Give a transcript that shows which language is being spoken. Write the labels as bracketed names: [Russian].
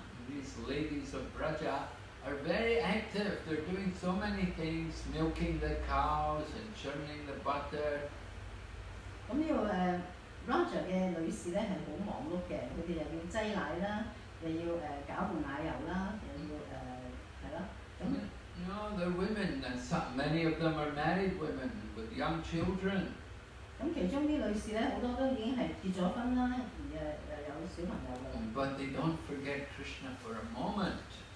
[English] These ladies of Braja are very active. They're doing so many things, milking the cows and churning the butter. [Chinese] Raja的女士是很忙碌的，她们要挤奶啦，又要搞牛奶油啦，又要系啦。 [English] know, they're women, and some, many of them are married women with young children. But they don't forget Krishna for a moment.